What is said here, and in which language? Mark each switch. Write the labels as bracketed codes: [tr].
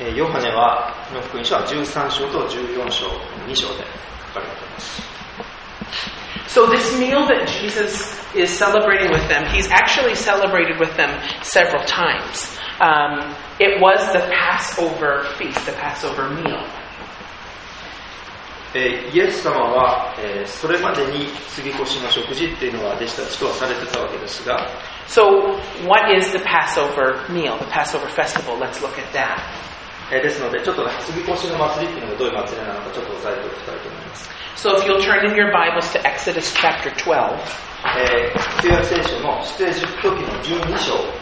[ja] ヨハネはこの福音書は13章と14章2章で書かれています。 [en] So this meal that Jesus is celebrating with them, he's actually celebrated with them several times. It was the Passover feast, the Passover meal. [ja] イエス様は、それまでに過ぎ越しの食事っていうのは弟子たちとはされてたわけですが。 [en] So what is the Passover meal, the Passover festival? Let's look at that. [ja] ですので、ちょっと過ぎ越しの祭りっていうのがどういう祭りなのかちょっと押さえておきたいと思います。 [en] So if you'll turn in your Bibles to Exodus chapter 12. [ja] 旧約聖書の出エジプト記の12章。